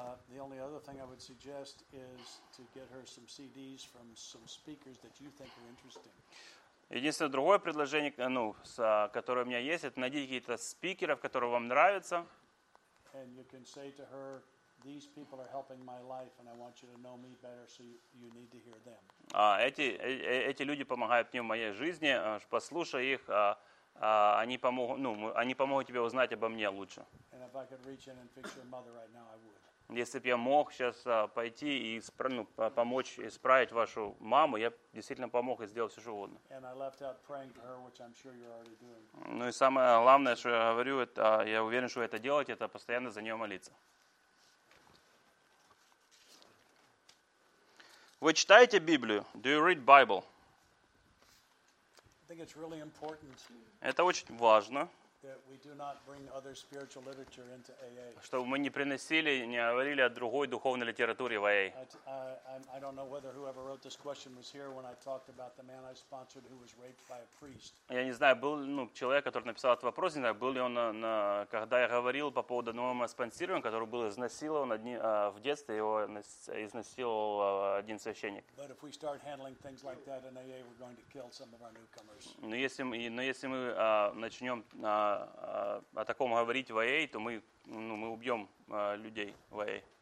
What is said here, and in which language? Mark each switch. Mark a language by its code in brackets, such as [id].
[en] The only other thing I would suggest is to get her some CDs from some speakers that you think are interesting. [ru] Единственное другое предложение, которое у меня есть, это найти какие-то спикеров, которые вам нравятся. [en] And you can say to her. These people are helping my life, and I want you to know me better, so you need to hear them. [ru] Эти люди помогают мне в моей жизни. Послушай их, они помогут тебе узнать обо мне лучше. [en] And if I could reach in and fix your mother right now, I would. [ru] Если бы я мог сейчас пойти и помочь исправить вашу маму, я действительно помог и сделал все, что угодно. [en] And I left out praying to her, which I'm sure you're already doing. [ru] И самое главное, что я говорю, это я уверен, что вы это делаете, это постоянно за нее молиться. Вы читаете Библию? [en] Do you read Bible? I think it's really important. [ru] Это очень важно. [en] That we do not bring other spiritual literature into AA. [ru] Чтобы мы не приносили, не говорили о другой духовной литературе в AA. [en] I don't know whether whoever wrote this question was here when I talked about the man I sponsored who was raped by a priest. [ru] Я не знаю, был человек, который написал этот вопрос, не знаю, был ли он когда я говорил по поводу нового спонсирования, который был изнасилован в детстве, его изнасиловал один священник. [en] But if we start handling things like that in AA, we're going to kill some of our newcomers. [ru] Но если мы начнем о таком говорить в АА, то мы убьем людей в АА.